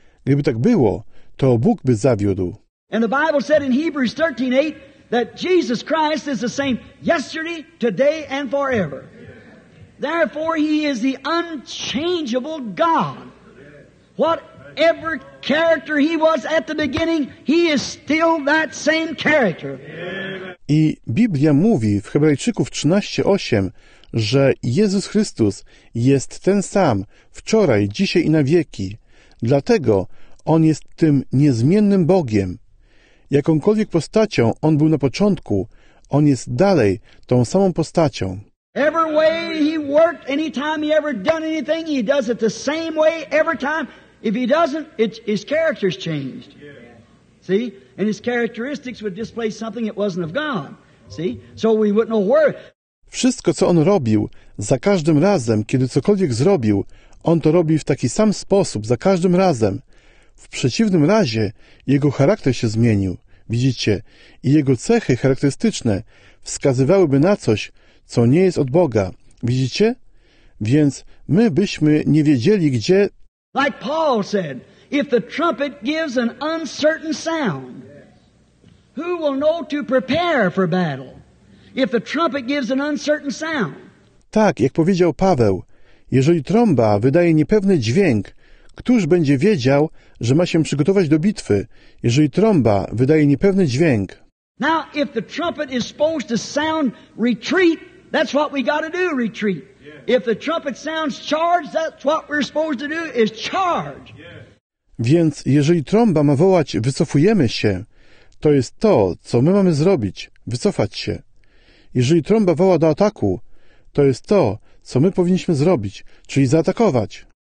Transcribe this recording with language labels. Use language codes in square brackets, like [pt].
[pl] Gdyby tak było, to Bóg by zawiódł. [en] And the Bible said in Hebrews 13:8 that Jesus Christ is the same yesterday, today and forever. Therefore he is the unchangeable God. Whatever character he was at the beginning, he is still that same character. [pl] I Biblia mówi w Hebrajczyków 13:8, że Jezus Chrystus jest ten sam wczoraj, dzisiaj i na wieki. Dlatego On jest tym niezmiennym Bogiem. Jakąkolwiek postacią On był na początku, On jest dalej tą samą postacią. [en] Every way He worked, any time He ever done anything, He does it the same way every time. If He doesn't, His character's changed. See? And His characteristics would display something it wasn't of God. See? So we wouldn't know where... [pl] Wszystko, co on robił, za każdym razem, kiedy cokolwiek zrobił, on to robi w taki sam sposób, za każdym razem. W przeciwnym razie jego charakter się zmienił, widzicie, i jego cechy charakterystyczne wskazywałyby na coś, co nie jest od Boga, widzicie? Więc my byśmy nie wiedzieli, gdzie... [en] Like Paul said, if the trumpet gives an uncertain sound, who will know to prepare for battle? If the trumpet gives an uncertain sound. [pl] Tak, jak powiedział Paweł, jeżeli trąba wydaje niepewny dźwięk, któż będzie wiedział, że ma się przygotować do bitwy, jeżeli trąba wydaje niepewny dźwięk? [en] Now, if the trumpet is supposed to sound retreat, that's what we got to do, retreat. Yes. If the trumpet sounds charge, that's what we're supposed to do, is charge. Yes. [pl] Więc jeżeli trąba ma wołać, wycofujemy się, to jest to, co my mamy zrobić, wycofać się. Jeżeli trąba woła do ataku, to jest to, co my powinniśmy zrobić, czyli zaatakować.